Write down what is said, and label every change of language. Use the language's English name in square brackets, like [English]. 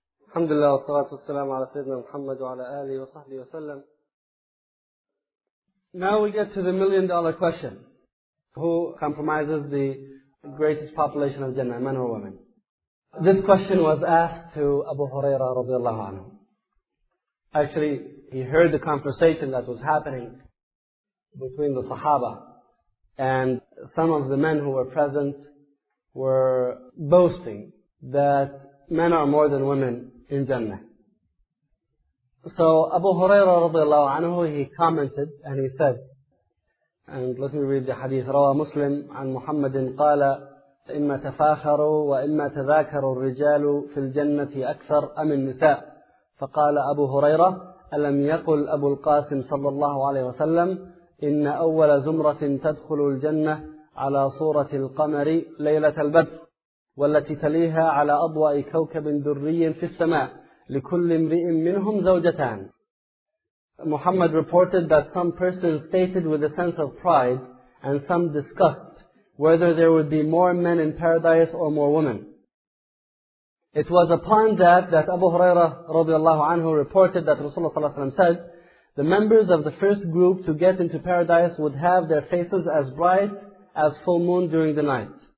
[Arabic] الحمد لله والصلاة والسلام على سيدنا محمد وعلى آله وصحبه وسلم. [English] Now we get to the million dollar question. Who comprises the greatest population of Jannah, men or women? This question was asked to Abu Huraira رضي الله عنه. Actually, he heard the conversation that was happening between the Sahaba, and some of the men who were present were boasting that men are more than women in Jannah. So Abu Huraira رضي الله عنه, he commented and he said, and let me read the hadith. [Arabic] روى مسلم عن محمد قال إما تفاخروا وإما تذاكروا الرجال في الجنة أكثر أم النساء. فقال أبو هريرة ألم يقل أبو القاسم صلى الله عليه وسلم إن أول زمرة تدخل الجنة على صورة القمر ليلة البدر والتي تليها على أضواء كوكب دري في السماء لكل امرئ منهم زوجتان. [English] Muhammad reported that some persons stated with a sense of pride and some disgust whether there would be more men in paradise or more women. It was upon that Abu Huraira رضي الله عنه reported that Rasulullah صلى الله عليه وسلم said, the members of the first group to get into paradise would have their faces as bright as full moon during the night.